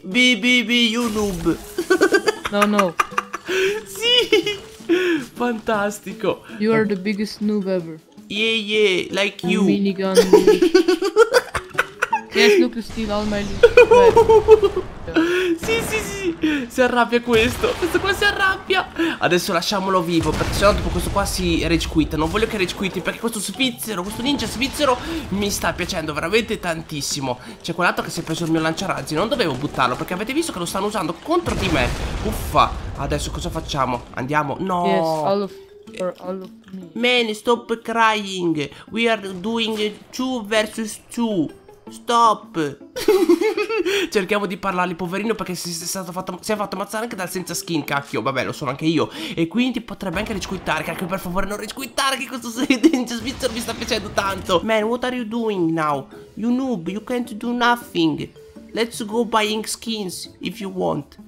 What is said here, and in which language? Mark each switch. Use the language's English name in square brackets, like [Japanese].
[English] Be, you noob. No, no. [Italian] Sì, fantastico. [English] You are the biggest noob ever. Yeah, yeah, like you. A minigun noob. Yes, look, you steal all my loot. [Italian] Sì, sì, sì, si arrabbia questo. Questo qua si arrabbia. Adesso lasciamolo vivo, perché sennò dopo questo qua si rage quit. Non voglio che rage quit, perché questo svizzero, questo ninja svizzero mi sta piacendo veramente tantissimo. C'è quell'altro che si è preso il mio lanciarazzi. Non dovevo buttarlo, perché avete visto che lo stanno usando contro di me. Uffa, adesso cosa facciamo? Andiamo? No. [English] Yes, all of me. Man, stop crying. We are doing 2 vs 2. Stop. [Italian] Cerchiamo di parlargli, poverino, perché si è fatto ammazzare anche dal senza skin, cacchio. Vabbè, lo sono anche io. E quindi potrebbe anche recuitare, cacchio, per favore non recuitare, che questo ninja svizzero mi sta piacendo tanto. [English] Man, what are you doing now? You noob, you can't do nothing. Let's go buying skins if you want.